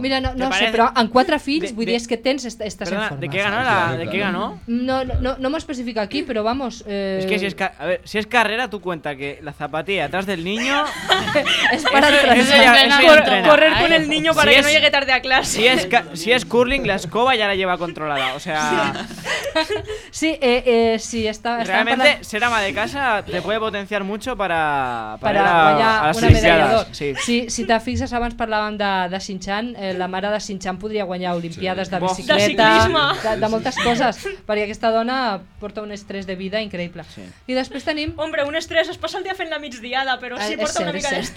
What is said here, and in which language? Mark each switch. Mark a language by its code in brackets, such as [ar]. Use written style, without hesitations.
[ca] Mira, no, no sé, però amb quatre fills, vull dir, és que tens, estàs perdona, en forma. [es] ¿De qué ganó? [ca] No, no, no, no m'ho especifica aquí, però [es] vamos... Es que si es, a ver, si es carrera, tu cuenta que la zapatilla atrás del niño... es para entrenar. Correr con el niño para que no llegue tarde a clase. Si es, si es curling, la escoba ya la lleva controlada, o sea... Sí, sí, está... Realmente, ser ama de casa te puede potenciar mucho para [ca] guanyar una medalla d'or. Sí. Si te fixes, abans parlàvem de Xinxan, la mare de Xinxan podria guanyar olimpiades de bicicleta, de moltes coses, perquè aquesta dona porta un estrès de vida increïble. Sí. I després tenim... Hombre, un estrès, es passa el dia fent la migdiada, però sí, porta una mica d'estrès.